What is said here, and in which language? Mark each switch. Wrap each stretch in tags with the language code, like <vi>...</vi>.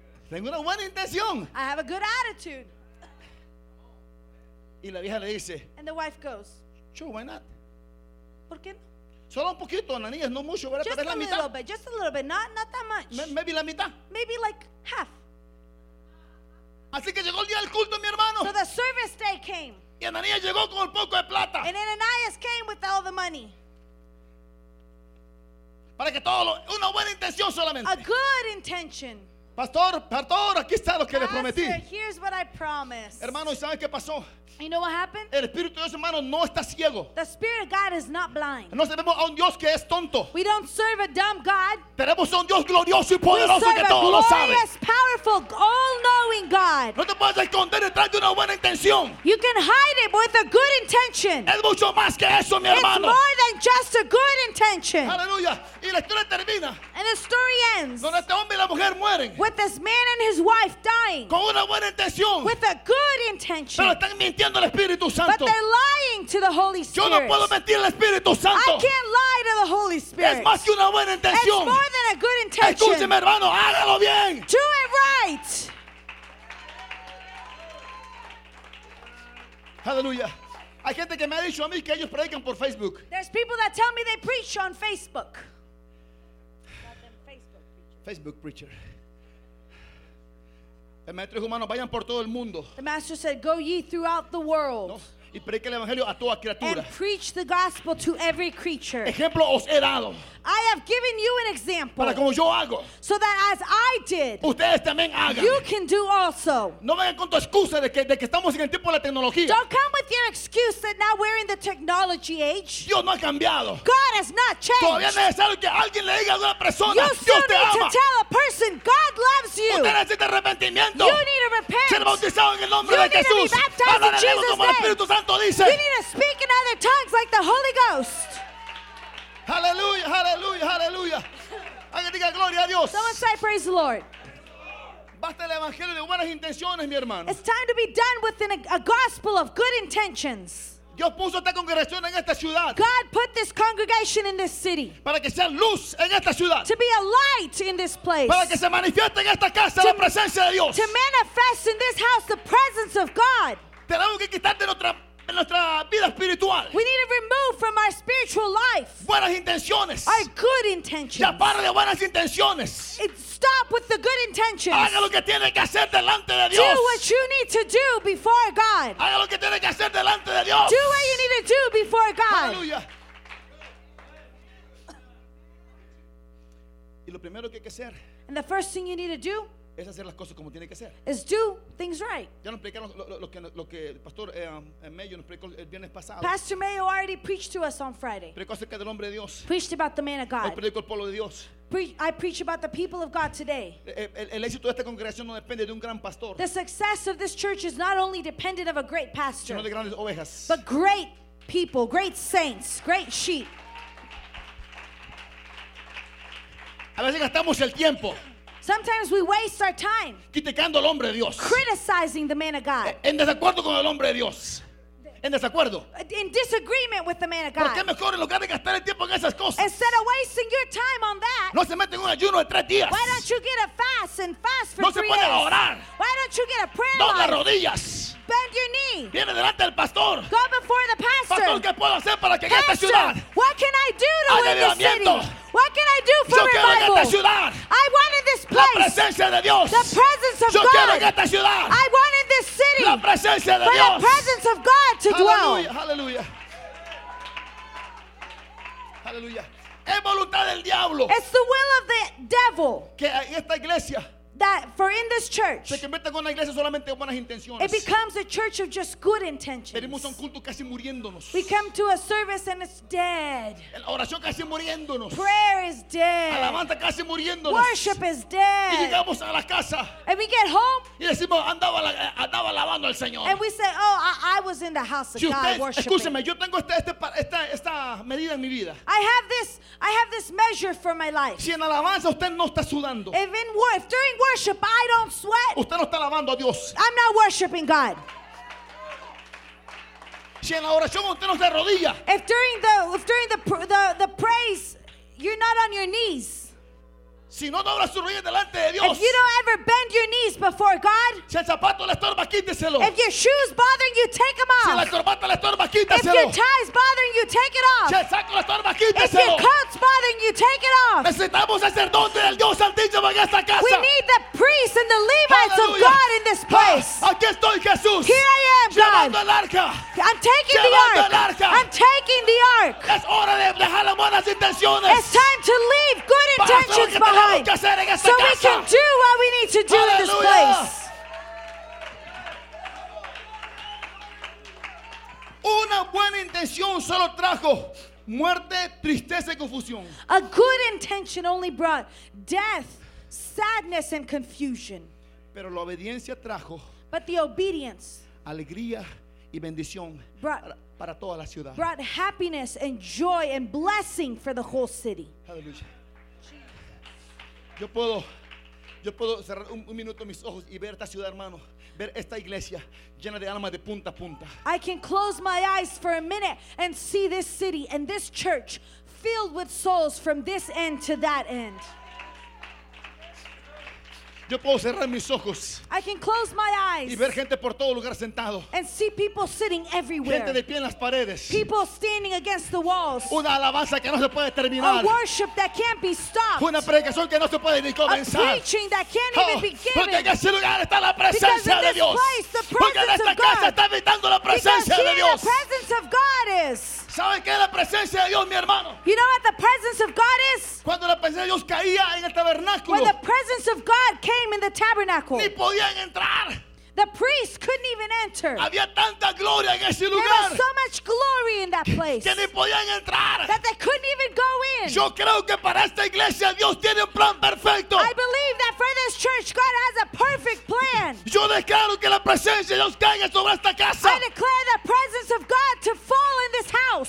<es>Tengo una buena intención.</es> <en>I have a good attitude.</en> <es>Y la vieja le dice.</es> <en>And the wife goes. Sure, why not?</en> <es>¿Por qué no? Solo un poquito, Ananías, no mucho, ¿verdad?</es> <en>Just</en> <es>la mitad.</es> <en>A little bit, just a little bit, not that much. Maybe</en> <es>la mitad.</es> <en>Maybe like half.</en> <es>Así que llegó el día del culto, mi hermano.</es> <en>So the service day came.</en> <es>Y Ananías llegó con el poco de plata.</es> <en>And Ananias came with all the money.</en> <es>Para que todo lo, una buena intención solamente.</es> <en>A good intention.</en> <es>Pastor, aquí está lo que le prometí.</es> <en>Pastor, here's what I promised.</en> <es>Hermano, ¿y sabes qué pasó?</es> <en>You know what happened?</en> <es>El Espíritu de Dios, hermano, no está ciego.</es> <en>The Spirit of God is not blind.</en> <es>No servimos a un Dios que es tonto.</es> <en>We don't serve a dumb God.</en> <es>Tenemos a un Dios glorioso y poderoso que todo lo sabe.</es> <en>We serve a glorious, powerful, all-knowing God.</en> <es>No te puedes esconder detrás de una buena intención.</es> <en>You can hide it with a good intention.</en> <es>Es mucho más que eso, mi hermano.</es> <en>It's more than just a good intention.</en> <es>Aleluya. Y la historia termina.</es> <en>And the story ends.</en> <es>Donde este hombre y la mujer mueren.</es> <en>With this man and his wife dying.</en> <es>Con una buena intención.</es> <en>With a good intention.</en> <es>Pero están mintiendo.</es> <en>But they're lying to the Holy Spirit.</en> <es>Yo no puedo mentir al Espíritu Santo.</es> <en>I can't lie to the Holy Spirit.</en> <es>Es más que una buena intención.</es> <en>It's more than a good intention.</en> <es>Escúcheme, hermano, hágalo bien.</es> <en>Do it right. Hallelujah.</en> <es>Hay gente que me ha dicho a mí que ellos predican por Facebook.</es> <en>There's people that tell me they preach on Facebook. Facebook preacher.</en> <es>El maestro dijo, hermano, vayan por todo el mundo.</es> <en>The master said, go ye throughout the world.</en> <es>Y predique el evangelio a toda criatura.</es> <en>And preach the gospel to every creature.</en> <es>Ejemplo os he dado.</es> <en>I have given you an example.</en> <es>Para como yo hago.</es> <en>So that as I did.</en> <es>Ustedes también hagan.</es> <en>You can do also.</en> <es>No vengan con tu excusa de que estamos en el tiempo de la tecnología.</es> <en>Don't come with your excuse that now we're in the technology age.</en> <es>Dios no ha cambiado.</es> <en>God has not changed.</en> <es>Todavía es necesario que alguien le diga a una persona, Dios te ama.</es> <en>You still need to tell a person, God loves you.</en> <es>Usted necesita arrepentimiento.</es> <en>You need to repent.</en> <es>Ser bautizado en el nombre de Jesús.</es> <en>You need to be baptized in Jesus' name.</en> <es>Espíritu Santo dice.</es> <en>You need to speak in other tongues like the Holy Ghost.</en> <es>Hallelujah, hallelujah, hallelujah. Alguien diga gloria a Dios.</es> <en>Someone say praise the Lord.</en> <es>Basta el evangelio de buenas intenciones, mi hermano.</es> <en>It's time to be done with a gospel of good intentions.</en> <es>Dios puso esta congregación en esta ciudad.</es> <en>God put this congregation in this city.</en> <es>Para que sea luz en esta ciudad.</es> <en>To be a light in this place.</en> <es>Para que se manifieste en esta casa la presencia de Dios.</es> <en>To manifest in this house the presence of God.</en> <es>Tenemos que quitar de nuestra en nuestra vida espiritual.</es> <en>We need to remove from our spiritual life.</en> <es>Buenas intenciones.</es> <en>Our good intentions.</en> <es>Ya para de buenas intenciones.</es> <en>Stop with the good intentions.</en> <es>Haga lo que tiene que hacer delante de Dios.</es> <en>Do what you need to do before God.</en> <es>Haga lo que tiene que hacer delante de Dios.</es> <en>Do what you need to do before God.</en> <es>Aleluya. Y lo primero que hay que hacer.</es> <en>And the first thing you need to do.</en> <es>Es hacer las cosas como tiene que ser.</es> <en>Is do things right.</en> <es>Ya nos explicaron lo que Pastor Mayo nos explicó el viernes pasado.</es> <en>Pastor Mayo already preached to us on Friday.</en> <es>Predicó acerca del hombre de Dios.</es> <en>Preached about the man of God.</en> <es>Hoy predicó el pueblo de Dios.</es> <en>I preach about the people of God today.</en> <es>El éxito de esta congregación no depende de un gran pastor.</es> <en>The success of this church is not only dependent of a great pastor.</en> <es>Sino de grandes ovejas.</es> <en>But great people, great saints, great sheep.</en> <es>A veces gastamos el tiempo.</es> <en>Sometimes we waste our time</en> <es>criticando al hombre de Dios,</es> <en>criticizing the man of God.</en> <es>En desacuerdo con el hombre de Dios. En desacuerdo.</es> <en>In disagreement with the man of God.</en> <es>¿Por qué mejor en lugar de gastar el tiempo en esas cosas?</es> <en>Instead of wasting your time on that.</en> <es>No se mete en un ayuno de tres días.</es> <en>Why don't you get a fast and fast for</en> <es>no</es> <en>three days?</en> <es>No se pone a orar.</es> <en>Why don't you get a prayer?</en> <es>Dobla rodillas.</es> <en>Bend your knee.</en> <es>Viene delante del pastor.</es> <en>Go before the pastor.</en> <es>Pastor, ¿qué puedo hacer para que pastor, esta ciudad?</es> <en>What can I do to win this city? What can I do for</en> <es>yo</es> <en>revival?</en> <es>Quiero que esta ciudad.</es> <en>I wanted this place.</en> <es>La presencia de Dios.</es> <en>The presence of</en> <es>yo</es> <en>God.</en> <es>Quiero que esta ciudad.</es> <en>I wanted this city.</en> <es>La presencia de</es> <en>for</en> <es>Dios.</es> <en>The presence of God to hallelujah, dwell. Hallelujah.</en> <es>Hallelujah. Es voluntad del diablo.</es> <en>It's the will of the devil.</en> <es>Que esta iglesia.</es> <en>That for in this church</en> <es>se convierte en una iglesia solamente de buenas intenciones.</es> <en>It becomes a church of just good intentions.</en> <es>Venimos a un culto casi muriéndonos.</es> <en>We come to a service and it's dead.</en> <es>La oración casi muriéndonos.</es> <en>Prayer is dead.</en> <es>Alabanza casi muriéndonos.</es> <en>Worship is dead.</en> <es>Y llegamos a la casa.</es> <en>And we get home.</en> <es>Y decimos, andaba alabando al Señor.</es> <en>And we say, oh, I was in the house of</en> <es>si usted,</es> <en>God worshiping.</en> <es>Escúcheme, yo tengo esta medida en mi vida.</es> <en>I have this measure for my life.</en> <es>Si en alabanza usted no está sudando.</es> <en>Even if during worship, I don't sweat.</en> <es>Usted no está alabando a Dios.</es> <en>I'm not worshiping God.</en> <es>Si en la oración usted no se arrodilla.</es> <en>If during the praise, you're not on your knees.</en> <es>Si no dobla sus rodillas delante de Dios.</es> <en>If you don't ever bend your knees before God.</en> <es>Si el zapato le estorba, quíteselo.</es> <en>If your shoes bothering you, take them off.</en> <es>Si la corbata le estorba, quíteselo.</es> <en>If your tie's bothering you, take it off.</en> <es>Si el saco le estorba, quíteselo.</es> <en>If your coat's bothering you, take it off.</en> <es>Necesitamos sacerdote del Dios Santísimo en esta casa.</es> <en>We need the priests and the Levites hallelujah. Of God in this place.</en> <es>Aquí estoy, Jesús.</es> <en>Here I am, God.</en> <es>Llevando el arca.</es> <en>I'm taking</en> <es>llevando</es> <en>the ark.</en> <es>El arca.</es> <en>I'm taking the ark.</en> <es>Es hora de dejar las buenas intenciones.</es> <en>It's time to leave good intentions behind. So we can do what we need to do hallelujah. In this place.</en> <es>Una buena intención solo trajo muerte, tristeza y confusión.</es> <en>A good intention only brought death, sadness and confusion.</en> <es>Pero la obediencia trajo</es> <en>but the obedience</en> <es>alegría y bendición para toda la ciudad.</es> <en>Brought happiness and joy and blessing for the whole city. Hallelujah.</en> <es>Yo puedo cerrar un minuto mis ojos y ver esta ciudad, hermano, ver esta iglesia llena de almas de punta a punta.</es> <en>I can close my eyes for a minute and see this city and this church filled with souls from this end to that end.</en> <es>Yo puedo cerrar mis ojos.</es> <en>I can close my eyes.</en> <es>Y ver gente por todo lugar sentado.</es> <en>And see people sitting everywhere.</en> <es>Gente de pie en las paredes.</es> <en>People standing against the walls.</en> <es>Una alabanza que no se puede terminar.</es> <en>A worship that can't be stopped.</en> <es>Una predicación que no se puede ni comenzar.</es> <en>A preaching that can't even be given.</en> <es>Porque en ese lugar está la presencia de Dios. Porque en esta casa está habitando la presencia de Dios.</es> <en>The presence of God is.</en> <es>¿Saben qué es la presencia de Dios, mi hermano?</es> <en>You know what the presence of God is?</en> <es>Cuando la presencia de Dios caía en el tabernáculo.</es> <en>When the presence of God came in the tabernacle.</en> <es>Ni podían entrar.</es> <en>The priests couldn't even enter.</en> <es>Había tanta gloria en ese lugar.</es> <en>There was so much glory in that place.</en> <es>Que ni podían entrar.</es> <en>That they couldn't even go in.</en> <es>Yo creo que para esta iglesia Dios tiene un plan perfecto.</es> <en>I believe that for this church God has a perfect plan.</en> <es>Yo declaro que la presencia de Dios caiga sobre esta casa.</es> <en>I declare the presence of God to fall in this house.</en>